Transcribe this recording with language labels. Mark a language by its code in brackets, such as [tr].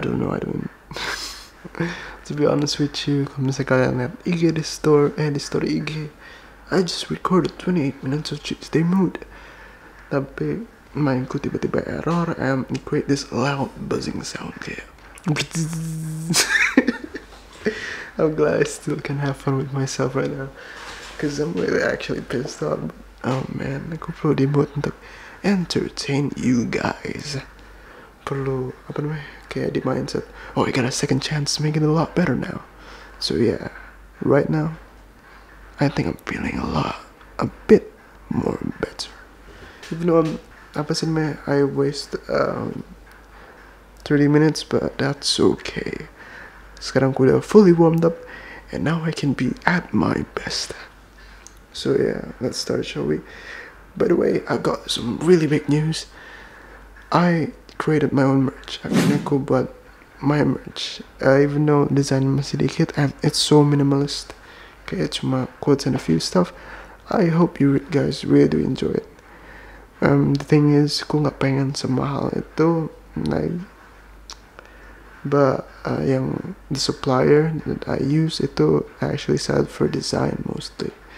[en] To be honest with you, [id] kalau misalnya kalian liat IG di story IG, [en] I just recorded 28 minutes of Tuesday Mood. [id] Tapi mainku tiba-tiba error [en] and create this loud buzzing sound [id] kayak. [en] I'm glad I still can have fun with myself right now. Cause I'm really actually pissed off. Oh man, [id] aku perlu dibuat untuk [en] entertain you guys. [id] Perlu apa namanya? Kayak di mindset. [en] Oh, I got a second chance to make it a lot better now. So yeah, right now, I think I'm feeling a bit more better. Even though I'm [id] apa sih [en] me? I waste 30 minutes, but that's okay. [id] Sekarang aku udah [en] fully warmed up, and now I can be at my best. So yeah, let's start, shall we? By the way, I got some really big news. I created my own merch. [id] Akhirnya aku buat [en] my merch. Even though design [id] masih dikit [en] and it's so minimalist. [id] Kayak cuma [en] quotes and a few stuff. I hope you guys really do enjoy it. The thing is, [id] aku gak pengen semahal itu. [en] Like, [id] yang [en] the supplier that I use [id] itu [en] actually sold for design mostly.